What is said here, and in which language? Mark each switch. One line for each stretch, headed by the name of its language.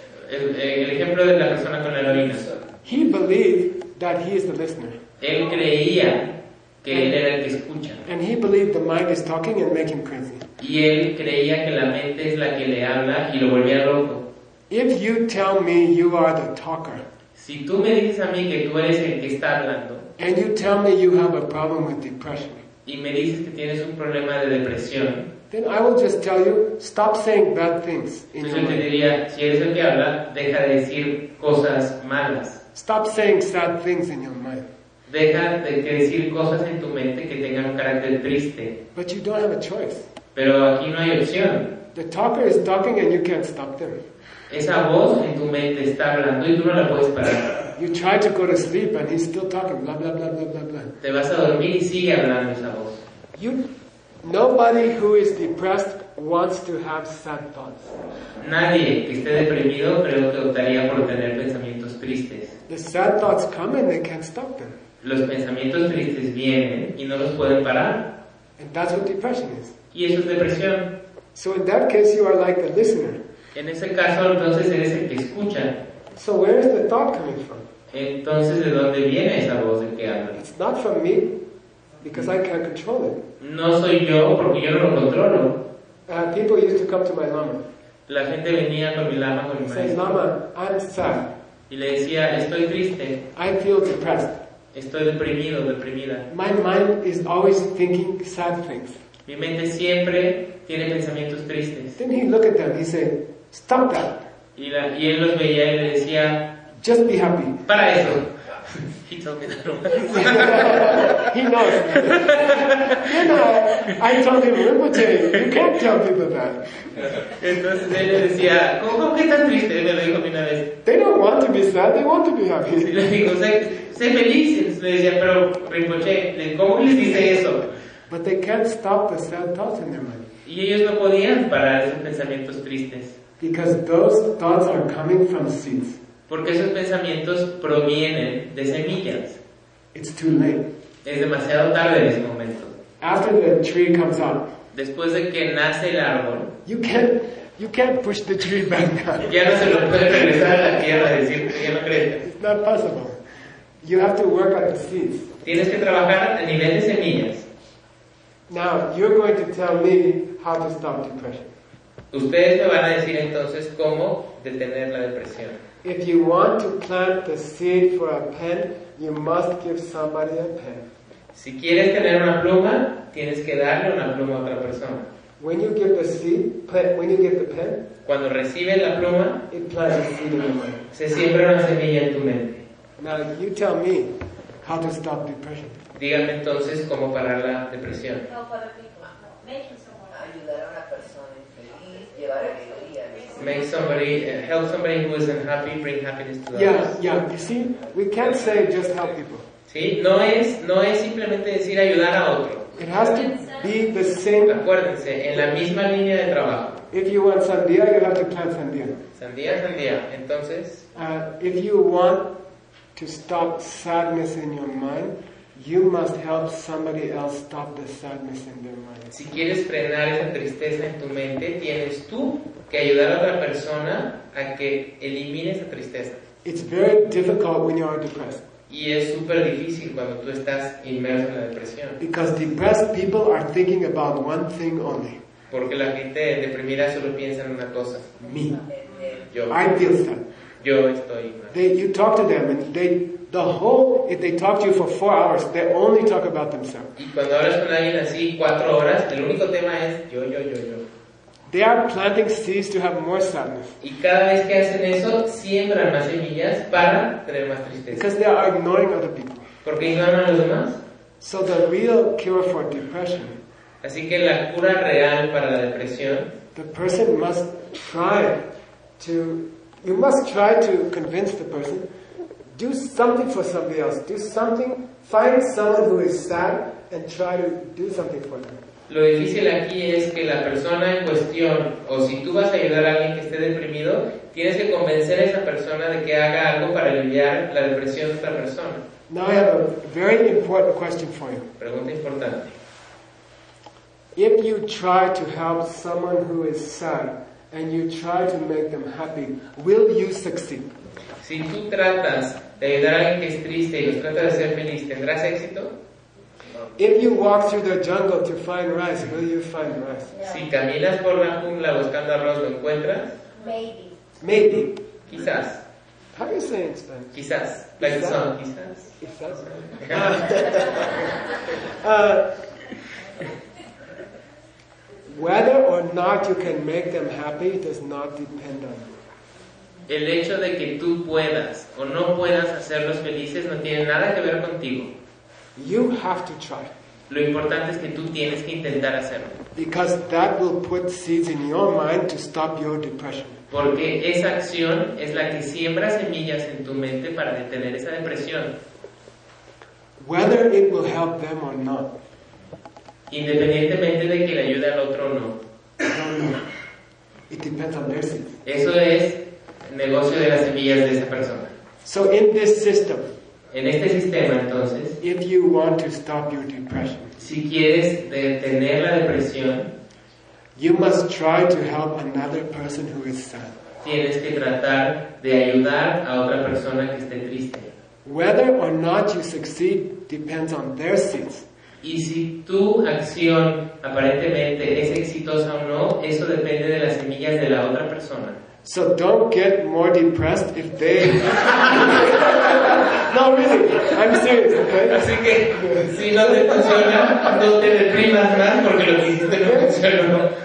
Spanish: El ejemplo de la persona con la heroína.
English: He believed that he is the listener.
Spanish: Él creía que él era el que escucha.
English: And he believed the mind is talking and making crazy.
Spanish: Y él creía que la mente es la que le habla y lo volvía loco.
English: If you tell me you are the talker.
Spanish: Si tú me dices a mí que tú eres el que está hablando.
English: And you tell me you have a problem with depression.
Spanish: Y me dices que tienes un problema de depresión.
English: Then I will just tell you, stop saying bad things.
Spanish: Entonces yo te diría, si eres el que habla, deja de decir cosas malas.
English: Stop saying sad things in your mind.
Spanish: Deja de decir cosas en tu mente que tengan un carácter triste.
English: But you don't have a choice.
Spanish: Pero aquí no hay opción.
English: The talker is talking and you can't stop them.
Spanish: Esa voz en tu mente está hablando y tú no la puedes parar.
English: You try to go to sleep and he's still talking, blah, blah, blah, blah, blah, blah.
Spanish: Te vas a dormir y sigue hablando esa voz.
English: Nobody who is depressed wants to have sad thoughts.
Spanish: Nadie que esté deprimido creo que optaría por tener pensamientos tristes.
English: The sad thoughts come and they can't stop them.
Spanish: Los pensamientos tristes vienen y no los pueden parar.
English: And that's what depression is.
Spanish: Y eso es depresión.
English: So in that case you are like the listener.
Spanish: En ese caso entonces eres el que escucha.
English: So where is the thought coming from?
Spanish: Entonces, ¿de dónde viene esa voz del que habla?
English: It's not from me, because I can't control it.
Spanish: No soy yo, porque yo no lo controlo.
English: People used to come to my lama.
Spanish: La gente venía con mi lama, con mi maestro.
English: Say, lama, I'm sad.
Spanish: Y le decía, estoy triste.
English: I feel depressed.
Spanish: Estoy deprimido, deprimida.
English: My mind is always thinking sad things.
Spanish: Mi mente siempre tiene pensamientos tristes.
English: Then he looked at them, he said, stop that.
Spanish: Y él los veía y le decía,
English: just be happy.
Spanish: Para eso.
English: He told me that. He knows. Then I told him, Rinpoche, you can't tell people that.
Spanish: Entonces él le decía, ¿cómo que tan triste? Me lo dijo una vez.
English: They don't want to be sad, they want to be happy.
Spanish: Y le digo, sé feliz. Entonces le decía, pero Rinpoche, ¿cómo les dice eso?
English: But they can't stop the sad thoughts in their mind.
Spanish: Y ellos no podían parar esos pensamientos tristes.
English: Because those thoughts are coming from seeds.
Spanish: Porque esos pensamientos provienen de semillas.
English: It's too late.
Spanish: Es demasiado tarde en ese momento.
English: After the tree comes out.
Spanish: Después de que nace el árbol.
English: You can't push the tree back down.
Spanish: Ya no se lo puede regresar a la tierra y decir que ya no crece.
English: It's not possible. You have to work on the seeds.
Spanish: Tienes que trabajar a nivel de semillas.
English: Now you're going to tell me how to stop depression.
Spanish: Ustedes me van a decir entonces cómo detener la depresión.
English: If you want to plant the seed for a pen, you must give somebody a pen.
Spanish: Si quieres tener una pluma, tienes que darle una pluma a otra persona.
English: When you give the seed, when you give the pen,
Spanish: cuando recibes la pluma,
English: it plants a seed in your mind.
Spanish: Se siembra una semilla en tu mente.
English: Now you tell me how to stop depression.
Spanish: Dígame entonces cómo parar la depresión.
English: Help other people.
Spanish: Ayudar a una persona infeliz, llevar alegría.
English: Make somebody, help somebody who is unhappy, bring happiness to others. Yeah, you see, we can't say just help people.
Spanish: Sí, no es simplemente decir ayudar a otro.
English: It has to be the same.
Spanish: Acuérdense, en la misma línea de trabajo.
English: If you want sandía, you have to plant sandía.
Spanish: Sandía, sandía. Entonces.
English: If you want to stop sadness in your mind, you must help somebody else stop the sadness in their mind.
Spanish: Si quieres frenar esa tristeza en tu mente, tienes tú que ayudar a otra persona a que elimine esa tristeza.
English: It's very difficult when you are depressed.
Spanish: Y es súper difícil cuando tú estás inmerso en la depresión.
English: Because depressed people are thinking about one thing only.
Spanish: Porque la gente deprimida solo piensa en una cosa.
English: Me.
Spanish: Yo.
English: I feel sad.
Spanish: Yo estoy mal.
English: You talk to them and they. The whole, if they talk to you for 4 hours, they only talk about themselves.
Spanish: Y cuando hablas con alguien así 4 horas, el único tema es yo.
English: They are planting seeds to have more sadness.
Spanish: Y cada vez que hacen eso, siembran más semillas para tener más tristeza.
English: Because they are ignoring other people.
Spanish: Porque ignoran a los demás.
English: So the real cure for depression.
Spanish: Así que la cura real para la depresión.
English: The person must try to. You must try to convince the person. Do something for somebody else. Do something. Find someone who is sad and try to do something for them.
Spanish: Lo difícil aquí es que la persona en cuestión, o si tú vas a ayudar a alguien que esté deprimido, tienes que convencer a esa persona de que haga algo para aliviar la depresión de otra persona.
English: Now I have a very important question for you.
Spanish: Pregunta importante.
English: If you try to help someone who is sad and you try to make them happy, will you succeed?
Spanish: Si tú tratas de ayudar a alguien que es triste y los tratas de ser feliz, ¿tendrás éxito?
English: If you walk through the jungle to find rice, will you find rice? Yeah.
Spanish: Si caminas por la jungla buscando arroz, ¿lo encuentras?
English: Maybe.
Spanish: Quizás.
English: How do you say it in Spanish?
Spanish: Quizás. Like quizás. Song, quizás. Quizás.
English: Whether or not you can make them happy does not depend on you.
Spanish: El hecho de que tú puedas o no puedas hacerlos felices no tiene nada que ver contigo.
English: You have to try.
Spanish: Lo importante es que tú tienes que intentar hacerlo.
English: Because that will put seeds in your mind to stop your depression.
Spanish: Porque esa acción es la que siembra semillas en tu mente para detener esa depresión.
English: Whether it will help them or not.
Spanish: Independientemente de que le ayude al otro o no.
English: It depends on their seeds.
Spanish: Eso es negocio de las semillas de esa persona.
English: So in this system.
Spanish: En este sistema, entonces,
English: if you want to stop your depression,
Spanish: si quieres detener la depresión,
English: you must try to help another person who is sad.
Spanish: Tienes que tratar de ayudar a otra persona que esté triste.
English: Whether or not you succeed depends on their seeds.
Spanish: Y si tu acción aparentemente es exitosa o no, eso depende de las semillas de la otra persona.
English: So don't get more depressed if they... No, really, I'm serious, okay?
Spanish: Así que, si no te funciona, no te deprimas más porque lo que hiciste no funcionó.